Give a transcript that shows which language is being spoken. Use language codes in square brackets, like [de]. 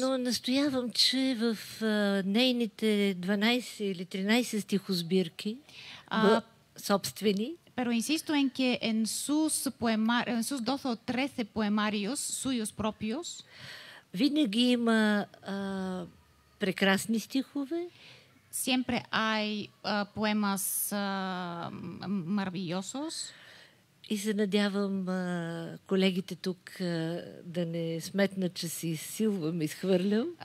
[bg] Но настоявам, че в нейните 12 или 13 стихосбирки, собствени, [es] pero insisto en que en sus poemas, en sus 12 o 13 poemarios suyos propios, [bg] винаги има прекрасни стихове. [es] Siempre hay poemas maravillosos. [bg] И се надявам колегите тук да не сметнат, че си силвам, изхвърлям.